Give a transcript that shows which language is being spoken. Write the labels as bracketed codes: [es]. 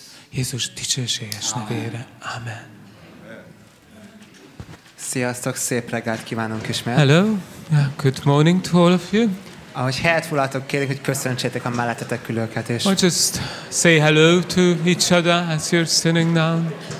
[hu] Jézus dicsőséges nevére. Amen. Sziasztok, szép reggelt kívánunk ismét. [en] Hello, good morning to all of you. [hu] Ahogy helyet foglaltok, kérlek, hogy köszöntsétek a mellettetek külőket is. [en] Or just say hello to each other as you're sitting down.